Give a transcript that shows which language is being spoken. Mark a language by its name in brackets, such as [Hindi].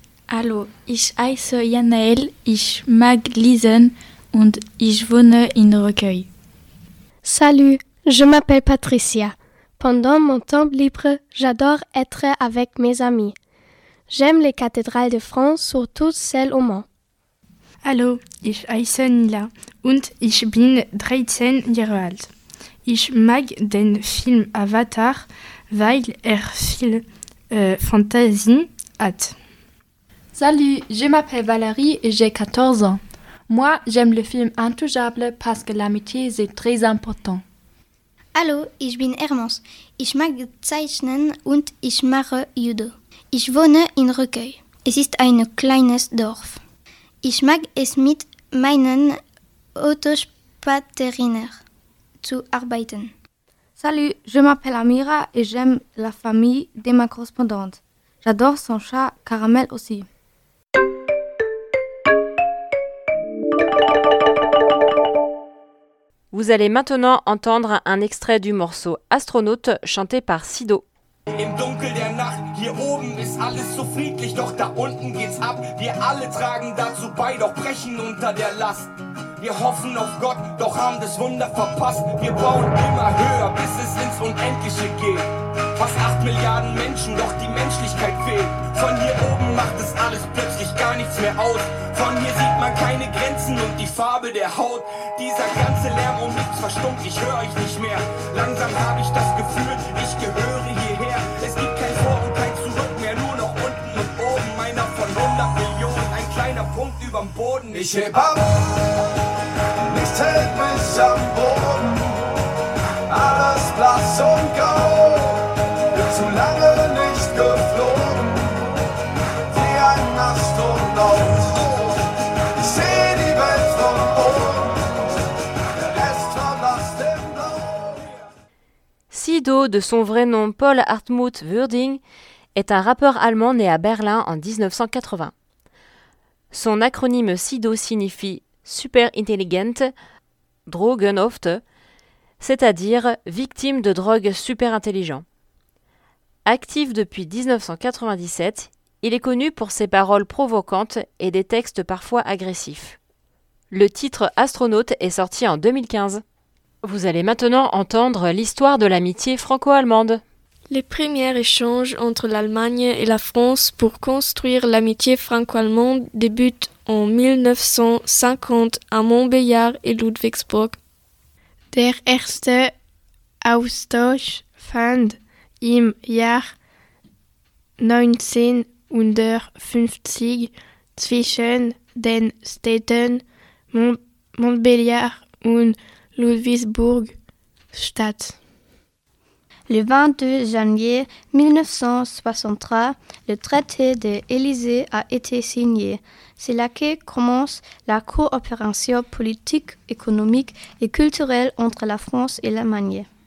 [German] Hallo, ich heiße Janael, ich mag lesen und ich wohne in Recueil. [French] Salut, je m'appelle Patricia. Pendant mon temps libre, j'adore être avec mes amis. J'aime les cathédrales de France, surtout celles au Mans. [German] Hallo, ich heiße Nila und ich bin 13 Jahre alt. Ich mag den Film Avatar, weil viel Fantasie hat. [French] Salut, je m'appelle Valérie et j'ai 14 ans. Moi, j'aime le film Intouchable parce que l'amitié est très important. [German] Hallo, ich bin Hermans. Ich mag zeichnen und ich mache Judo. Ich wohne in Recueil. Es ist ein kleines Dorf. Ich mag es mit meinen Autospaterinnen zu arbeiten. [French] Salut, je m'appelle Amira et j'aime la famille de ma correspondante. J'adore son chat Caramel aussi. Vous allez maintenant entendre un extrait du morceau Astronaute chanté par Sido. [German] Im Dunkel der Nacht, hier oben ist alles so friedlich, doch da unten geht's ab. Wir alle tragen dazu bei, doch brechen unter der Last. Wir hoffen auf Gott, doch haben das Wunder verpasst. Wir bauen immer höher, bis es ins Unendliche geht. Fast 8 Milliarden Menschen, doch die Menschlichkeit fehlt. Von hier oben macht es alles plötzlich gar nichts mehr aus. Von hier sieht man keine Grenzen und die Farbe der Haut. Dieser ganze Lärm um nichts verstummt, ich höre euch nicht mehr. Langsam habe ich das Gefühl, ich gehöre hierher. Es gibt kein Vor und kein Zurück mehr, nur noch unten und oben. Einer von 100 Millionen, ein kleiner Punkt überm Boden. Ich heb ab, nichts hält mich am Boden. Alles blass und grau. Zu lange nicht geflogen, wie ein Astronaut. Ich seh die Welt von oben, der Astronaut im Blau. [French] Sido, de son vrai nom Paul Hartmut Würding, est un rappeur allemand né à Berlin en 1980. Son acronyme Sido signifie « super intelligent »,« drogenhaft », c'est-à-dire « victime de drogue super intelligent ». Actif depuis 1997, il est connu pour ses paroles provocantes et des textes parfois agressifs. Le titre Astronaute est sorti en 2015. Vous allez maintenant entendre l'histoire de l'amitié franco-allemande. Les premiers échanges entre l'Allemagne et la France pour construire l'amitié franco-allemande débutent en 1950 à Montbéliard et Ludwigsburg. [German] Der erste Austausch fand im Jahr 1950 zwischen den Städten Montbéliard und Ludwigsburg statt. [French] Le 22 janvier 1963, le traité de l'Élysée a été signé. C'est là que commence la coopération politique, économique et culturelle entre la France et l'Allemagne.